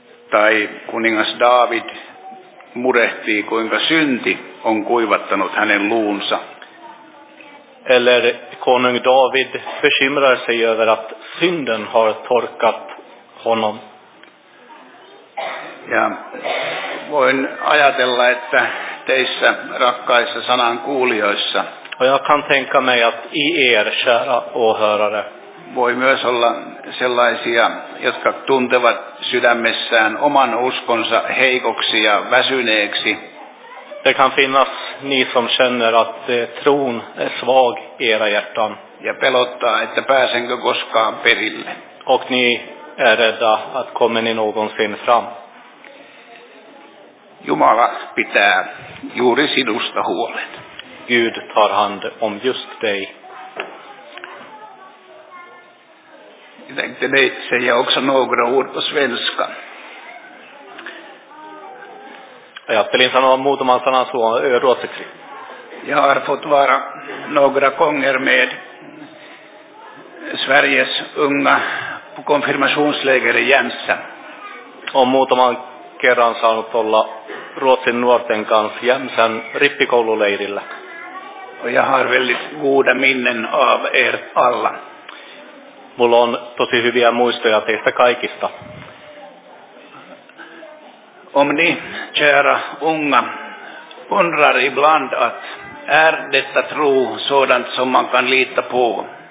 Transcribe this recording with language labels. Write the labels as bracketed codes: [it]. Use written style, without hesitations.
[fi] Tai kuningas David murehtii, kuinka synti on kuivattanut hänen luunsa. [sv] Eller konung David bekymrar sig över att synden har torkat honom. [fi] Ja voin ajatella, että teissä rakkaissa sanan kuulijoissa. [sv] Och jag kan tänka mig att i er, kära åhörare, [fi] voi myös olla sellaisia, jotka tuntevat sydämessään oman uskonsa heikoksi ja väsyneeksi. [sv] Det kan finnas ni som känner att tron är svag i era hjärtan. [fi] Ja pelottaa, että pääsenkö koskaan perille. [sv] Och ni är rädda att komma ni någonsin fram. [fi] Jumala pitää juuri sinusta huolen. [sv] Gud tar hand om just dig. Jag tänkte säga också några ord på svenska. Jag spelar in sådana motomansarna så rådsexigt. Jag har fått vara några gånger med Sveriges unga konfirmationsläger i Jämsä. [fi] Olen muutaman kerran saanut olla Ruotsin nuorten kanssa Jämsän rippikoululeirillä. [sv] Ja har väldigt goda minnen av er alla. [fi] Mulla on tosi hyviä muistoja teistä kaikista. [sv] Om ni, kära unga, undrar ibland att är detta tro sådant som man kan lita på?